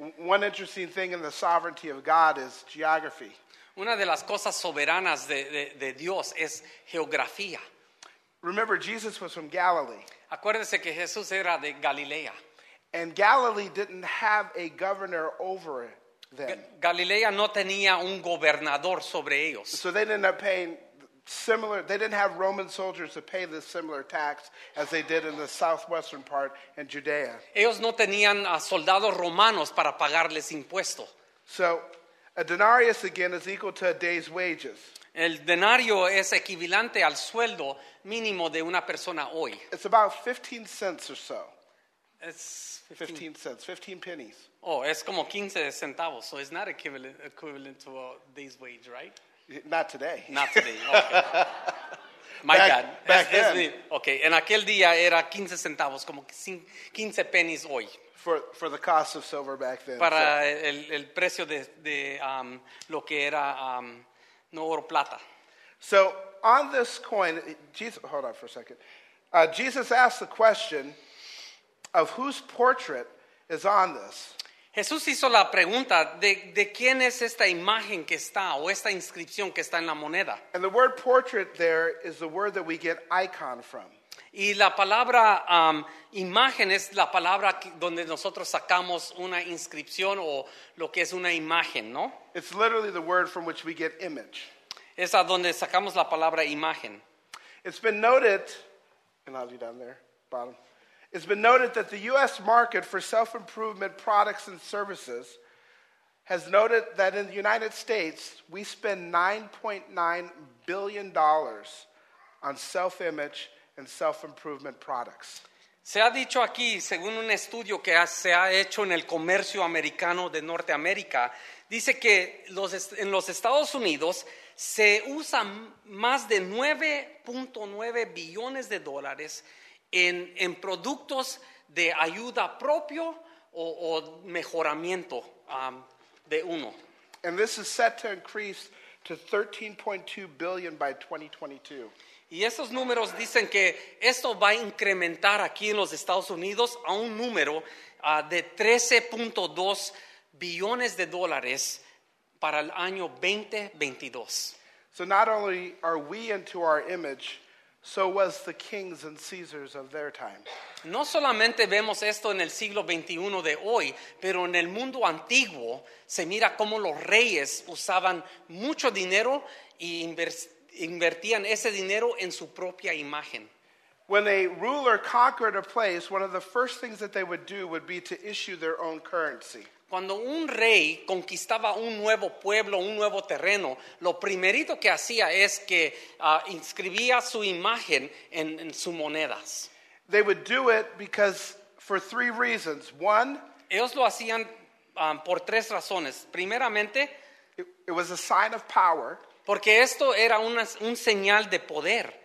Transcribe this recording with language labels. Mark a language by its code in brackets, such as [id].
[en] One interesting thing in the sovereignty of God is geography. [es] Una de las cosas soberanas de Dios es geografía. [en] Remember, Jesus was from Galilee. [es] Acuérdese que Jesús era de Galilea. [en] And Galilee didn't have a governor over them. [es] Galilea no tenía un gobernador sobre ellos. [en] So they didn't have paying similar, they didn't have Roman soldiers to pay this similar tax as they did in the southwestern part in Judea. [es] Ellos no tenían a soldados romanos para pagarles impuesto. [en] So a denarius again is equal to a day's wages. [es] El denario es equivalente al sueldo mínimo de una persona hoy. [en] It's about 15 cents or so. It's 15 cents, 15 pennies. [es] Oh, es como 15 centavos. [en] So it's not equivalent to a day's wage, right? Not today. Not today, okay. My bad. Back then. [es] Okay, en aquel día era 15 centavos, como 15 pennies hoy. [en] For the cost of silver back then. [es] Para so. el precio de lo que era... No oro, plata. [en] So on this coin, Jesus, hold on for a second. Jesus asked the question of whose portrait is on this. [es] Jesús hizo la pregunta de quién es esta imagen que está o esta inscripción que está en la moneda. [en] And the word portrait there is the word that we get icon from. [es] Y la palabra imagen es la palabra donde nosotros sacamos una inscripción o lo que es una imagen, ¿no? [en] It's literally the word from which we get image. [es] Es a donde sacamos la palabra imagen. [en] It's been noted, and I'll be down there, bottom. It's been noted that the U.S. market for self-improvement products and services has noted that in the United States, we spend $9.9 billion on self-image and self-improvement products. [es] Se ha dicho aquí, según un estudio que se ha hecho en el comercio americano de Norteamérica, dice que en los Estados Unidos se usan más de 9.9 billones de dólares en productos de ayuda propio o mejoramiento de uno. [en] And this is set to increase to 13.2 billion by 2022. [es] Y esos números dicen que esto va a incrementar aquí en los Estados Unidos a un número de 13.2 billones de dólares para el año 2022. [en] So not only are we into our image, so was the kings and Caesars of their time. [es] No solamente vemos esto en el siglo 21 de hoy, pero en el mundo antiguo se mira cómo los reyes usaban mucho dinero y invertían ese dinero en su propia imagen. [en] When a ruler conquered a place, one of the first things that they would do would be to issue their own currency. [es] Cuando un rey conquistaba un nuevo pueblo, un nuevo terreno, lo primerito que hacía es que inscribía su imagen en sus monedas. [en] They would do it because for three reasons. One, [es] ellos lo hacían por tres razones. Primeramente, [en] it was a sign of power. [es] Porque esto era un señal de poder.